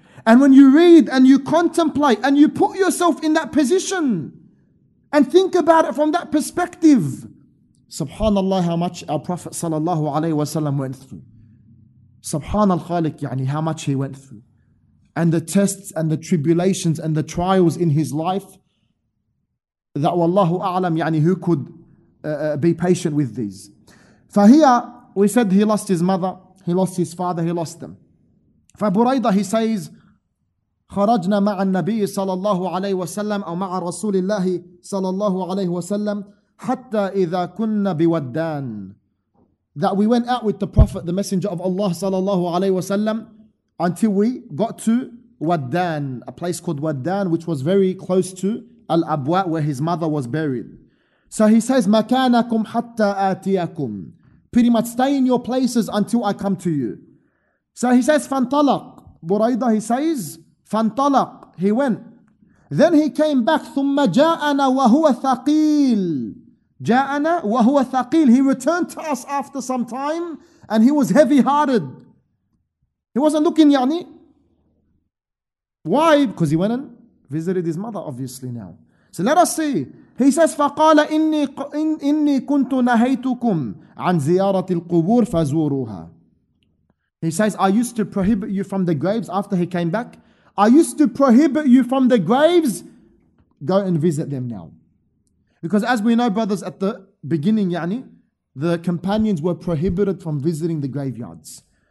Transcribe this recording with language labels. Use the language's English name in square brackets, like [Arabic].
[English] And when you read and you contemplate and you put yourself in that position and think about it from that perspective, subhanallah, how much our Prophet sallallahu alaihi wasallam went through. Subhanal Khaliq, yani, how much he went through. And the tests and the tribulations and the trials in his life, that wallahu a'lam, yani, who could be patient with these. So here, we said he lost his mother, he lost his father, he lost them. [Arabic] فبريضة, [English] he says, [Arabic] خرجنا مع النبي صلى الله عليه وسلم أو مع رسول الله صلى الله عليه وسلم حتى إذا كنا بودان. [English] That we went out with the Prophet, the Messenger of Allah صلى الله عليه وسلم, until we got to Waddan, a place called Waddan, which was very close to Al-Abwa, where his mother was buried. So he says, [Arabic] مكانكم حتى آتيكم. [English] Pretty much stay in your places until I come to you. So he says, [Arabic] فانطلق. [English] Buraydah, he says, فانطلق. He went. Then he came back. [Arabic] ثم جاءنا وهو ثقيل. جاءنا وهو ثقيل. [English] He returned to us after some time and he was heavy hearted. He wasn't looking, yani. Why? Because he went and visited his mother, obviously, now. So let us see. He says, [Arabic] فقال إني كنت نهيتكم عن زيارة القبور فزوروها. [English] He says, I used to prohibit you from the graves after he came back. I used to prohibit you from the graves. Go and visit them now. Because as we know, brothers, at the beginning, yani, the companions were prohibited from visiting the graveyards.